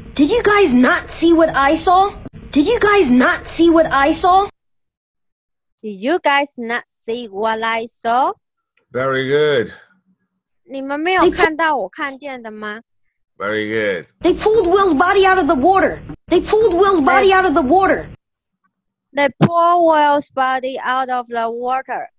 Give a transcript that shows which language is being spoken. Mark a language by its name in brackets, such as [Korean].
[English] Did you guys not see what I saw? Did you guys not see what I saw? Did you guys not see what I saw? Very good. [Chinese] 你们没有看到我看见的吗? [English] Very good. They pulled Will's body out of the water. They pulled Will's body out of the water. They pulled Will's body out of the water.